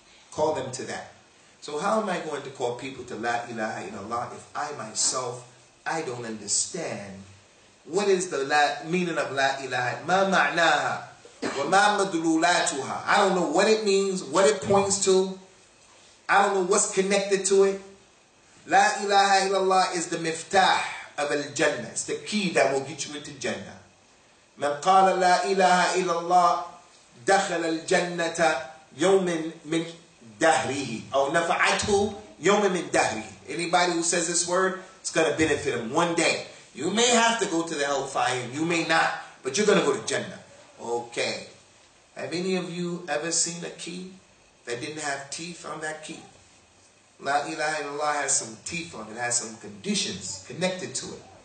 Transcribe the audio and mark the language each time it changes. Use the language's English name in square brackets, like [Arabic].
[English] Call them to that. So how am I going to call people to La ilaha illallah if I myself, I don't understand what is the meaning of La ilaha? [Arabic] Ma ma'naha wa ma madlulatuha. [English] I don't know what it means, what it points to. I don't know what's connected to it. La ilaha illallah is the miftah of al-jannah. It's the key that will get you into Jannah. [Arabic] من قال لا إله إلا الله دخل الجنة يوم من دهره أو نفعته يوم من دهره. [English] Anybody who says this word, it's going to benefit them one day. You may have to go to the hellfire, you may not, but you're going to go to Jannah. Okay. Have any of you ever seen a key that didn't have teeth on that key? La ilaha illallah has some teeth on it, has some conditions connected to it.